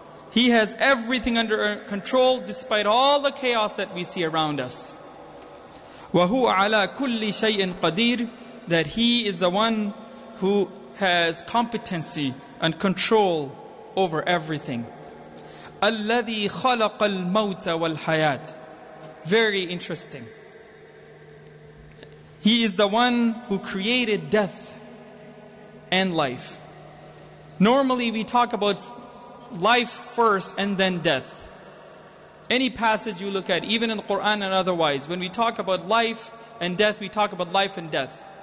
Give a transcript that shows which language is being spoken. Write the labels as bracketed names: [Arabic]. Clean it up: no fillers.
[English] He has everything under control despite all the chaos that we see around us. [Arabic] وَهُوَ عَلَىٰ كُلِّ شَيْءٍ قَدِيرٍ, [English] that he is the one who has competency and control over everything. [Arabic] الَّذِي خَلَقَ الْمَوْتَ وَالْحَيَاةِ, [English] very interesting. He is the one who created death and life. Normally we talk about life first and then death. Any passage you look at, even in the Quran and otherwise, when we talk about life and death, we talk about life and death.